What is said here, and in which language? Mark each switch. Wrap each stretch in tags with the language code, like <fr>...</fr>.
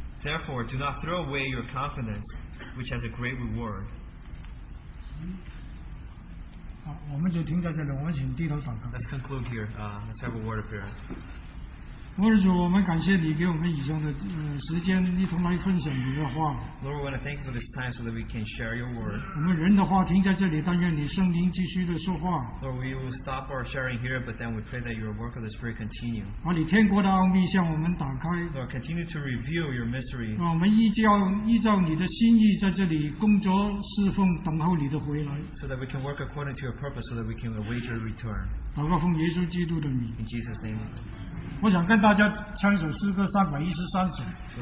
<en>Therefore, do not throw away your confidence, which has a great reward.</en> <zh>好，我们就停在这里，我们请低头祷告。</zh> <en>Let's conclude here. Let's have a word of prayer.</en> <zh>主，我们感谢你给我们以上的时间，一同来分享你的话。</zh> <en>Lord, we want to thank you for this time so that we can share your word.</en> <zh>我们人的话停在这里，但愿你圣灵继续的说话。</zh> <en>Lord, we will stop our sharing here, but then we pray that your work of the Spirit continue.</en> <zh>把你天国的奥秘向我们打开。</zh> <en>Lord, continue to reveal your mystery.</en> <zh>让我们依照你的心意在这里工作、侍奉、等候你的回来。</zh> <en>So that we can work according to your purpose, so that we can await your return.</en> <zh>祷告奉耶稣基督的名。</zh> <en>In Jesus' name.</en> <zh>我想跟大家唱一首诗歌313首。</zh>